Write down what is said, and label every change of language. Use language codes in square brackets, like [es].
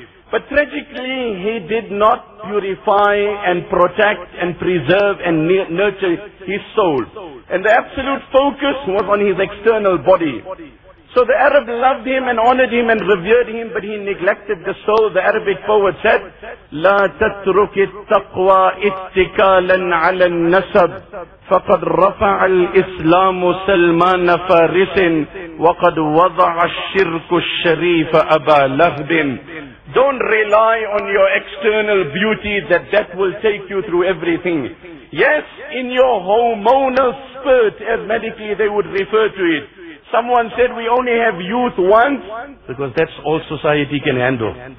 [en] But tragically, he did not purify and protect and preserve and nurture his soul. And the absolute focus was on his external body. So the Arab loved him and honored him and revered him, but he neglected the soul. The Arabic poet said, [ar] لَا تَتْرُكِ التَّقْوَى اتِّكَالًا عَلَى النَّسَبْ فَقَدْ رَفَعَ الْإِسْلَامُ سَلْمَانَ فَارِسٍ وَقَدْ وَضَعَ الشِّرْكُ الشَّرِيفَ أَبَا لَهْبٍ. [en] Don't rely on your external beauty, that will take you through everything. Yes, in your hormonal spurt, as medically they would refer to it. Someone said we only have youth once, because that's all society can handle.